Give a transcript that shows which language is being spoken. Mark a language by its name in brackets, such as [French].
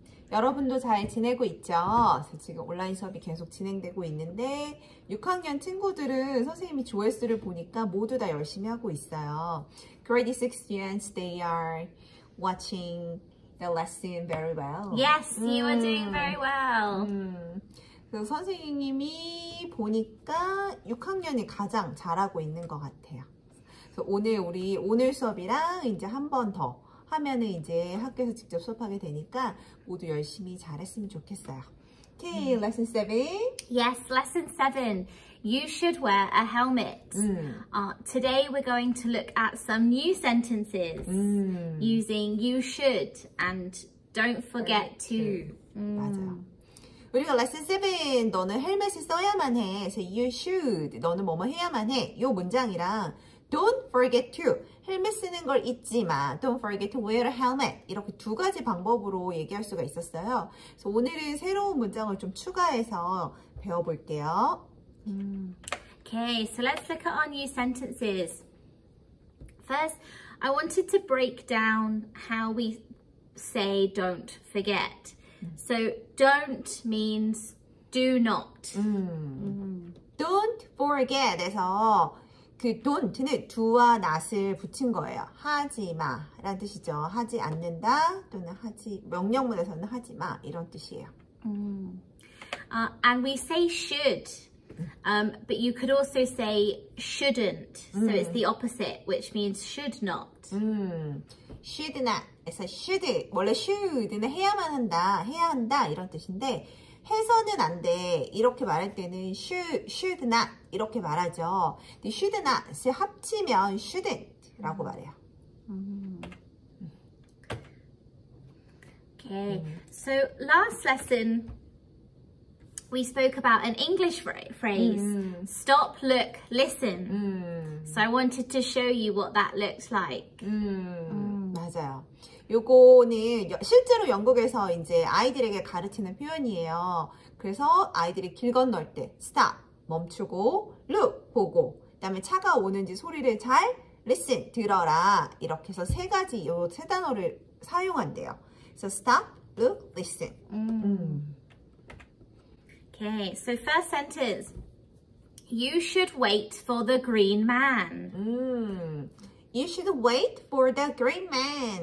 [Korean] 여러분도 잘 지내고 있죠? 지금 온라인 수업이 계속 진행되고 있는데 6학년 친구들은 선생님이 조회수를 보니까 모두 다 열심히 하고 있어요. [English] Grade 6 students, they are watching the lesson very well. Yes, you are doing very well. [Korean] 그 선생님이 보니까 6학년이 가장 잘하고 있는 것 같아요. 오늘 우리 오늘 수업이랑 이제 한 번 더 하면은 이제 학교에서 직접 수업하게 되니까 모두 열심히 잘했으면 좋겠어요. [English] Okay, lesson 7. Yes, lesson 7. You should wear a helmet. Today we're going to look at some new sentences using you should and don't forget to. [Korean] 맞아요. 우리가 lesson 7, 너는 헬멧을 써야만 해. [English] So you should, [Korean] 너는 뭐뭐 해야만 해. 요 문장이랑 [English] Don't forget to. [Korean] 헬멧 쓰는 걸 잊지 마. [English] Don't forget to wear a helmet. [Korean] 이렇게 두 가지 방법으로 얘기할 수가 있었어요. 그래서 오늘은 새로운 문장을 좀 추가해서 배워볼게요. [English] Okay, so let's look at our new sentences. First, I wanted to break down how we say don't forget. So, don't means do not. Don't forget [Korean] 에서 그 don't는 do와 not을 붙인 거예요. 하지 마 라는 뜻이죠. 하지 않는다 또는 하지 명령문에서는 하지 마 이런 뜻이에요. [English] And we say should, but you could also say shouldn't. So it's the opposite, which means should not. Should not. [Korean] 그래서 should 원래 should는 해야만 한다, 해야 한다 이런 뜻인데 해서는 안 돼 이렇게 말할 때는 should not 이렇게 말하죠. should not을 합치면 shouldn't 라고 말해요. [English] Okay. So last lesson we spoke about an English phrase stop, look, listen. So I wanted to show you what that looks like. [Korean] 맞아요. 요거는 실제로 영국에서 이제 아이들에게 가르치는 표현이에요. 그래서 아이들이 길 건널 때 stop 멈추고 look 보고 그다음에 차가 오는지 소리를 잘 listen 들어라 이렇게 해서 세 가지 요 세 단어를 사용한대요. [English] 그래서 stop, look, listen. Okay, so first sentence. You should wait for the green man. You should wait for the green man.